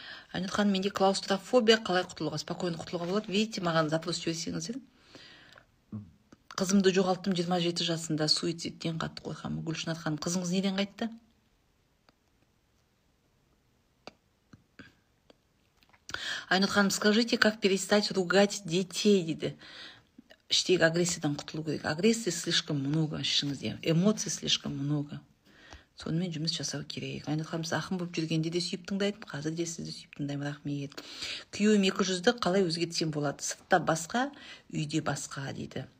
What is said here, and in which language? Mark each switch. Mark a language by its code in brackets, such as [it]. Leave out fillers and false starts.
[kk] Айнұр ханым, менде клаустрофобия, қалай құтылуға? Спокойно құтылуға болады? Видите, маған запрос жіберсеңіздер. Қызымды жоғалттым 27 жасында, суицидтен қатты қорқамын. Гүлшінат ханым, қызыңыз неден қайтты? [ru] Айнұр ханым, скажите, как перестать ругать детей [kk] дейді. Іштегі агрессиядан құтылу керек. Агрессия [ru] слишком много [kk] ішіңізде. Эмоция [ru] слишком много. [kk] Сонымен жұмыс жасау керек. Айнұр ханым, сіз ақын болып жүргенде де сүйіп тыңдайтын, қазір де сізді сүйіп тыңдаймын, рахмет. Күйеуім 200-ді қалай өзгертсем болады? Сыртта басқа, үйде басқа дейді.